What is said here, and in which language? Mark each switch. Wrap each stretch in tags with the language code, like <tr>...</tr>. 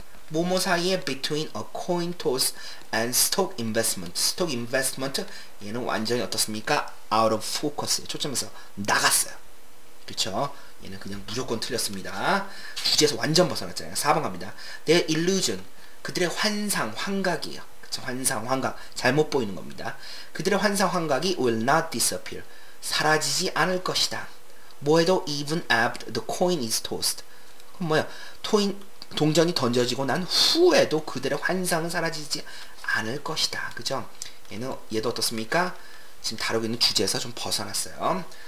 <ko>뭐뭐 사이에</ko> <en>between a coin toss and stock investment.</en> <ko>Stock investment 얘는 완전히 어떻습니까?</ko> <en>Out of focus.</en> <ko>초점에서 나갔어요. 그렇죠? 얘는 그냥 무조건 틀렸습니다. 주제에서 완전 벗어났잖아요. 4번 갑니다.</ko> <en>Their illusion.</en> <ko>그들의 환상, 환각이에요. 그렇죠? 환상, 환각. 잘못 보이는 겁니다. 그들의 환상, 환각이</ko> <en>will not disappear.</en> <ko>사라지지 않을 것이다. 뭐해도</ko> <en>even after the coin is tossed.</en> <ko>그럼 뭐야? 동전이 던져지고 난 후에도 그들의 환상은 사라지지 않을 것이다. 그죠? 얘도 어떻습니까? 지금 다루고 있는 주제에서 좀 벗어났어요.</ko>